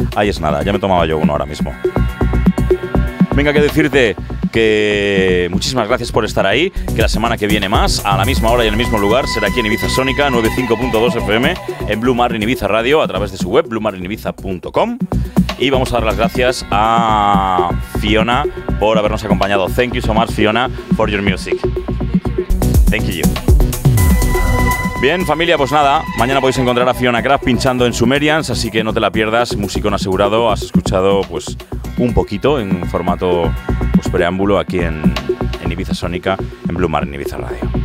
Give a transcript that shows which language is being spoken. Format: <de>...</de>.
<es>Ahí es nada, ya me tomaba yo uno ahora mismo. Venga, que decirte que muchísimas gracias por estar ahí, que la semana que viene más, a la misma hora y en el mismo lugar, será aquí en Ibiza Sónica, 95.2 FM, en Blue Marlin Ibiza Radio, a través de su web, bluemarliniviza.com. Y vamos a dar las gracias a Fiona por habernos acompañado.</es> <en>Thank you so much, Fiona, for your music. Thank you.</en> <es>Bien, familia, pues nada, mañana podéis encontrar a Fiona Kraft pinchando en Sumerians, así que no te la pierdas, musicón asegurado, has escuchado pues un poquito en formato pues preámbulo aquí en Ibiza Sónica, en Blue Marlin Ibiza Radio.</es>